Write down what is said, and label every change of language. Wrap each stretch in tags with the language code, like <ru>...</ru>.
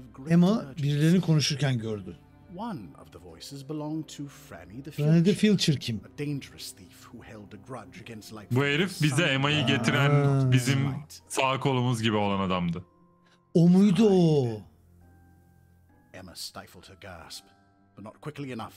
<tr>Emma birilerini konuşurken gördü.</tr> <en>One of the voices belonged to Franny the Filcher kim? A dangerous thief who</en> <tr>held a grudge against Lightfinger. Bu herif bize Emma'yı getiren bizim sağ kolumuz gibi olan adamdı. O muydu o?</tr> <en>Emma stifled her gasp, but not quickly enough.</en>